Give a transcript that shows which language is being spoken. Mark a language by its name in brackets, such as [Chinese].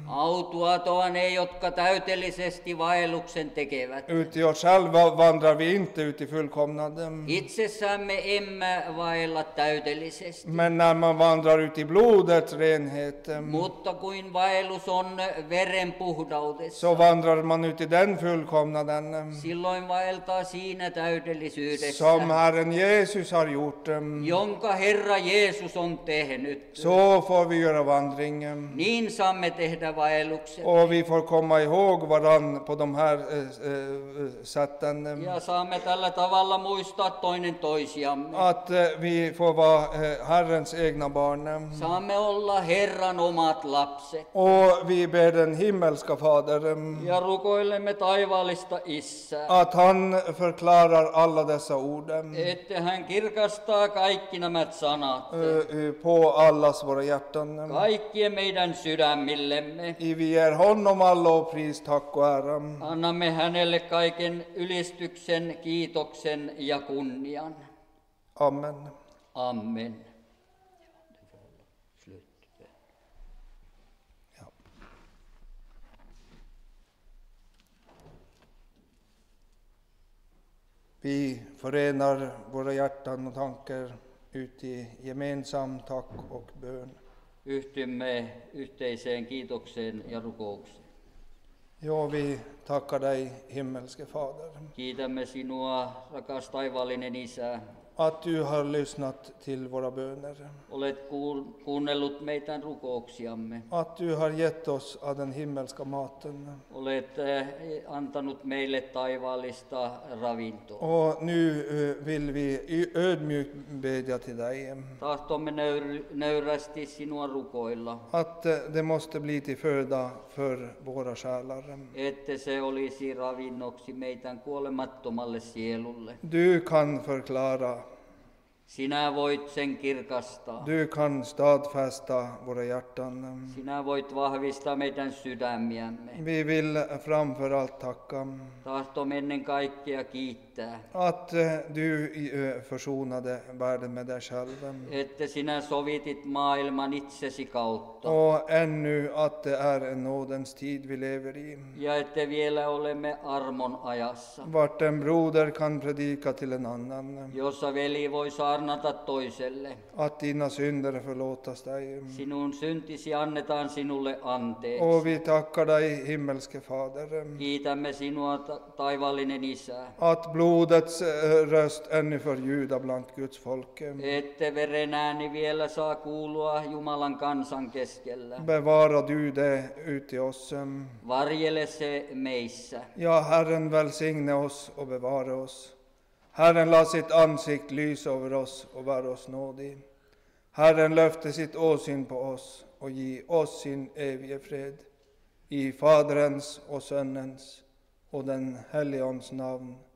[Finnish] Autuatoa ne, jotka täydellisesti vaelluksen tekevät. [Swedish] Ut i oss själva vandrar vi inte ut i fullkomnaden. [Finnish] Itsessämme emme vaella täydellisesti. [Swedish] Men när man vandrar ut i blodets renhet. [Finnish] Mutta kuin vaellus on veren puhdaudessa. [Swedish] Så vandrar man ut i den fullkomnaden. [Finnish] Silloin vaeltaa siinä täydellisyydessä. [Swedish] Som Herren Jesus har gjort. [Finnish] Jonka Herra Jeesus on tehnyt. [Swedish] Så får vi göra vandringen. [Finnish] Niin saamme tehdä vaelluksen. [Swedish] Och vi får komma ihåg varann på de här sätten. [Finnish] Ja saamme tällä tavalla muistaa toinen toisiamme. [Swedish] Att vi får vara Herrens egna barn. [Finnish] Saamme olla Herran omat lapset. [Swedish] Och vi ber den himmelska fader. [Finnish] Ja rukoilemme taivaallista Isää. [Swedish] Att han förklarar alla dessa ord. [Finnish] Ette hän kirkastaa. Kastaa kaikki nämä sanat. [Swedish] På allas våra hjärtan. [Finnish] Kaikkien meidän sydämillemme. [Swedish] I vi ger honom all lovpris, tack och ära. [Finnish] Annamme hänelle kaiken ylistyksen, kiitoksen ja kunnian. [Swedish] Amen. [Finnish] Amen. [Swedish] Vi förenar våra hjärtan och tankar ut i gemensam tack och bön. [Finnish] Yhtymme yhteiseen kiitokseen ja rukoukseen. [Swedish] Ja, vi tackar dig, himmelske fader. [Finnish] Kiitämme sinua, rakas taivaallinen Isä. [Swedish] Att du har lyssnat till våra böner. [Finnish] Olet kuunnellut meidän rukouksiamme. [Swedish] Att du har gett oss av den himmelska maten. [Finnish] Olet antanut meille taivaallista ravintoa. [Swedish] Och nu vill vi ödmjukt bedja till dig. [Finnish] Tahtomme nöyrästi sinua rukoilla. [Swedish] Att det måste bli till föda för våra själar. [Finnish] Ette se olisi ravinnoksi meidän kuolemattomalle sielulle. [Swedish] Du kan förklara. [Finnish] Sinä voit sen kirkastaa. [Swedish] Du kan stadfästa våra hjärtan. [Finnish] Sinä voit vahvistaa meidän sydämiämme. [Swedish] Vi vill framför allt tacka. [Finnish] Tahtom ennen kaikkea kiittää. [Swedish] Att du försonade världen med dig själv. [Finnish] Että sinä sovitit maailman itsesi kautta. [Swedish] Och ännu att det är en nådens tid vi lever i. [Finnish] Ja että vielä olemme armon ajassa. [Swedish] Vart en broder kan predika till en annan. [Finnish] Jossa veli voi saarnata toiselle. [Swedish] Att dina synder förlåtas dig. [Finnish] Sinun syntisi annetaan sinulle anteeksi. [Swedish] Och vi tackar dig, himmelske fader. [Finnish] Kiitämme sinua, taivaallinen Isä. [Swedish] Att blodets röst ännu förljuda bland Guds folk. [Finnish] Ette veren ääni vielä saa kuulua Jumalan kansan keskellä. [Swedish] Bevara du det ut i oss. [Finnish] Varjele se meissä. [Norwegian] Ja Herren välsigne oss och bevara oss. Herren la sitt ansikt lysa över oss och var oss nådig. Herren löfte sitt åsyn på oss och ge oss sin evige fred. I Faderns och Sönnens och den Helligandes namn.